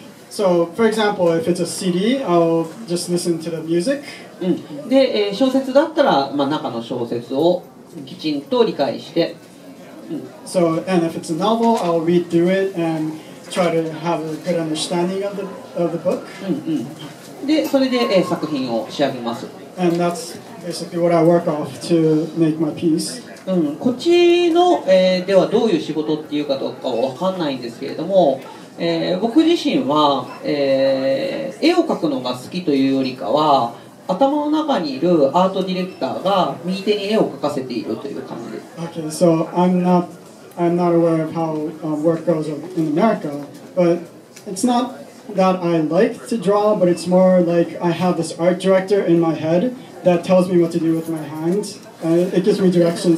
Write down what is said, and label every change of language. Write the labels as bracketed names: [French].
[English] So for example, if it's a CD, I'll just listen to the music. [Japanese] で、小説だったら、まあ、中の小説をきちんと理解して。 [English] So and if it's a novel, I'll read through it and try to have a good understanding of the book. [Japanese] で、それで、作品を仕上げます。 [English] And that's basically what I work off to make my piece. [Japanese] こっちの、ではどういう仕事っていうかどうかは分かんないんですけれども、僕自身は、絵を描くのが好きというよりかは頭の中にいるアートディレクターが右手に絵を描かせているという感じです。 [English] Okay, so I'm not aware of how work goes in America, but it's not that I like to draw, but it's more like I have this art director in my head that tells me what to do with my handsIt gives me directions.